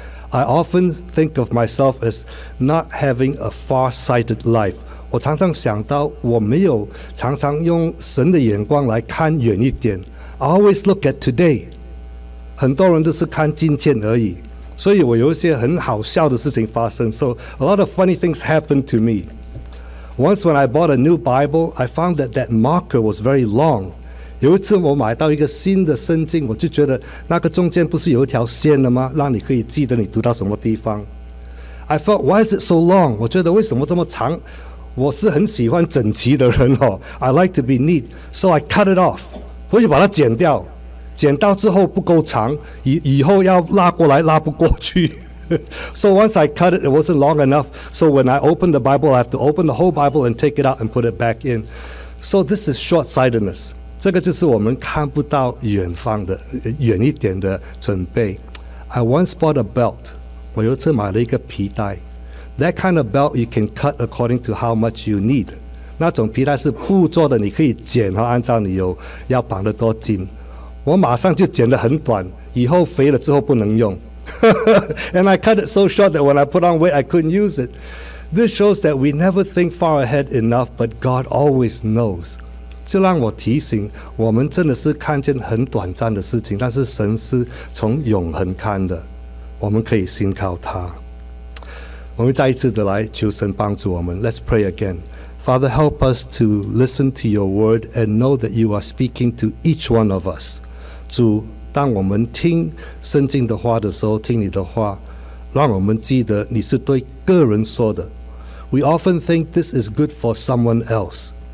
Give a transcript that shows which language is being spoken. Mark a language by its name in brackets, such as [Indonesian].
[English] I often think of myself as not having a far-sighted life. [Chinese] 我常常想到我没有常常用神的眼光来看远一点。 [English] I always look at today. [Chinese] 很多人都是看今天而已。所以我有一些很好笑的事情发生。 [English] So a lot of funny things happened to me. Once when I bought a new Bible, I found that that marker was very long. [Chinese] 有一次我买到一个新的圣经，我就觉得那个中间不是有一条线的吗？让你可以记得你读到什么地方。 [English] I thought, why is it so long? [Chinese] 我觉得为什么这么长？我是很喜欢整齐的人哦。 [English] I like to be neat, so I cut it off. [Chinese] 我就把它剪掉，剪到之后不够长，以后要拉过来拉不过去。 [English] So once I cut it, it wasn't long enough. So when I open the Bible, I have to open the whole Bible and take it out and put it back in. So this is short-sightedness. [Chinese] 这个就是我们看不到远方的远一点的准备。 [English] I once bought a belt. [Chinese] 我有一次买了一个皮带。 [English] That kind of belt you can cut according to how much you need. [Chinese] 那种皮带是布做的，你可以剪和按照你有要绑的多紧。我马上就剪得很短，以后肥了之后不能用。 [English] And I cut it so short that when I put on weight, I couldn't use it. This shows that we never think far ahead enough, but God always knows. [Chinese] 就让我提醒，我们真的是看见很短暂的事情，但是神是从永恒看的，我们可以信靠他。我们再一次的来求神帮助我们。 [English] Let's pray again. Father, help us to listen to your word and know that you are speaking to each one of us. [Chinese] 主，当我们听圣经的话的时候，听你的话，让我们记得你是对个人说的。 [English] We often think this is good for someone else.